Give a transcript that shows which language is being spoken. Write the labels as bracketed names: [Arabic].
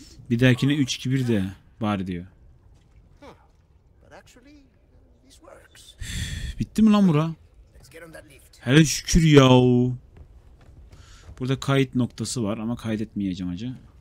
[Turkish] Bir dahakine 3-2-1 de var diyor. [English] But actually this works. [Turkish] Bitti mi lan bura? Hele şükür ya. Burada kayıt noktası var ama kaydetmeyeceğim acı.